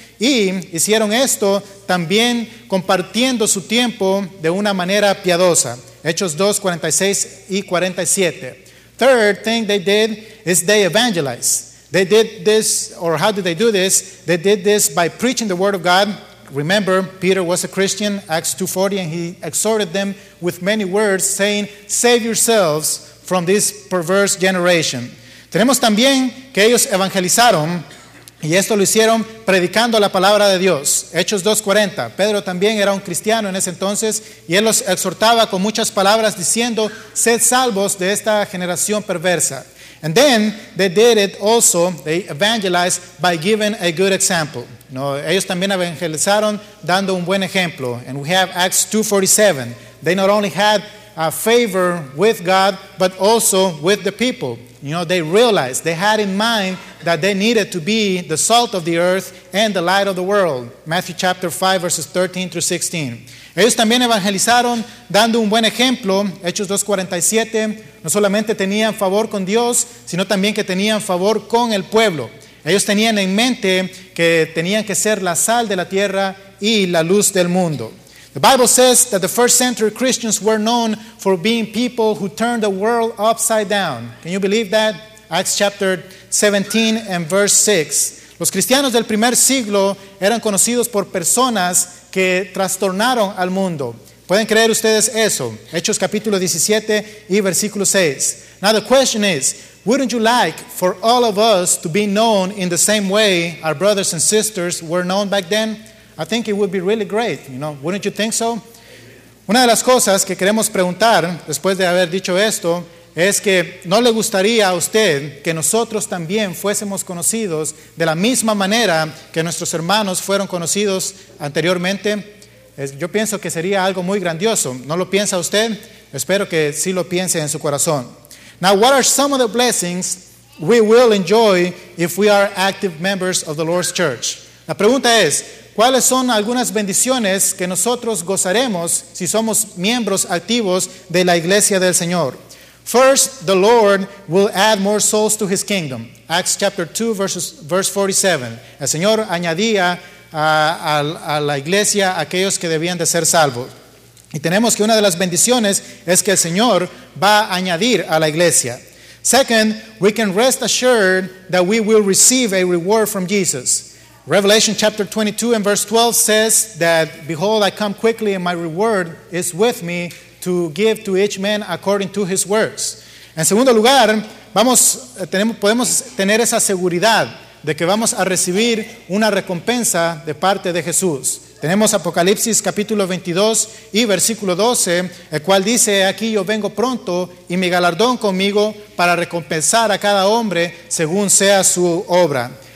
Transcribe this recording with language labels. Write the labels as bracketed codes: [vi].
[es] Y hicieron esto también compartiendo su tiempo de una manera piadosa. Hechos 2:46 y 47. [en] Third thing they did is they evangelized. They did this, or how did they do this? They did this by preaching the word of God. Remember, Peter was a Christian, Acts 2:40, and he exhorted them with many words, saying, save yourselves from this perverse generation. [es] Tenemos también que ellos evangelizaron, y esto lo hicieron predicando la palabra de Dios. Hechos 2:40. Pedro también era un cristiano en ese entonces, y él los exhortaba con muchas palabras, diciendo, sed salvos de esta generación perversa. [en] And then they did it also, they evangelized by giving a good example. [es] No, ellos también evangelizaron dando un buen ejemplo. [en] And we have Acts 2:47. They not only had a favor with God, but also with the people. You know, they realized, they had in mind that they needed to be the salt of the earth and the light of the world. Matthew chapter 5, verses 13 through 16. [es] Ellos también evangelizaron dando un buen ejemplo. Hechos 2:47. No solamente tenían favor con Dios, sino también que tenían favor con el pueblo. Ellos tenían en mente que tenían que ser la sal de la tierra y la luz del mundo. [en] The Bible says that the first century Christians were known for being people who turned the world upside down. Can you believe that? Acts chapter 17 and verse 6. [es] Los cristianos del primer siglo eran conocidos por personas que trastornaron al mundo. ¿Pueden creer ustedes eso? Hechos capítulo 17 y versículo 6. [en] Now the question is, wouldn't you like for all of us to be known in the same way our brothers and sisters were known back then? I think it would be really great, you know, wouldn't you think so? [es] Una de las cosas que queremos preguntar después de haber dicho esto es que ¿no le gustaría a usted que nosotros también fuésemos conocidos de la misma manera que nuestros hermanos fueron conocidos anteriormente? Yo pienso que sería algo muy grandioso. ¿No lo piensa usted? Espero que sí lo piense en su corazón. [en] Now, what are some of the blessings we will enjoy if we are active members of the Lord's Church? [es] La pregunta es, ¿cuáles son algunas bendiciones que nosotros gozaremos si somos miembros activos de la Iglesia del Señor? [en] First, the Lord will add more souls to His kingdom. Acts chapter 2, verse 47. [es] El Señor añadía a la iglesia aquellos que debían de ser salvos. Y tenemos que una de las bendiciones es que el Señor va a añadir a la iglesia. [en] Second, we can rest assured that we will receive a reward from Jesus. Revelation chapter 22 and verse 12 says that, behold, I come quickly and my reward is with me to give to each man according to his works. [es] En segundo lugar, podemos tener esa seguridad de que vamos a recibir una recompensa de parte de Jesús. Tenemos Apocalipsis capítulo 22 y versículo 12, el cual dice, aquí yo vengo pronto y mi galardón conmigo para recompensar a cada hombre según sea su obra.